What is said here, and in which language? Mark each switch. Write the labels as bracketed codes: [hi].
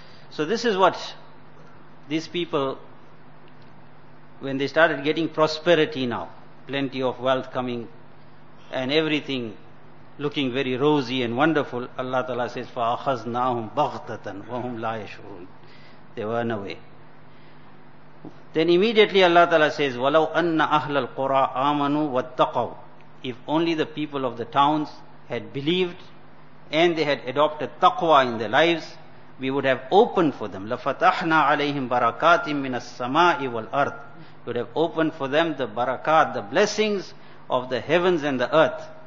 [en] So this is what these people, when they started getting prosperity now, plenty of wealth coming and everything looking very rosy and wonderful, Allah Ta'ala says, [ar] فَأَخَذْنَاهُمْ بَغْتَةً وَهُمْ لَا يَشْعُرُونَ. [en] They were away. Then immediately Allah Ta'ala says, [ar] وَلَوْ أَنَّ أَهْلَ الْقُرَىٰ آمَنُوا وَاتَّقَوْا. [en] If only the people of the towns had believed and they had adopted taqwa in their lives, we would have opened for them. [ar] لَفَتَحْنَا عَلَيْهِمْ بَرَكَاتٍ مِّنَ السَّمَاءِ وَالْأَرْضِ. [en] We would have opened for them the barakat, the blessings of the heavens and the earth.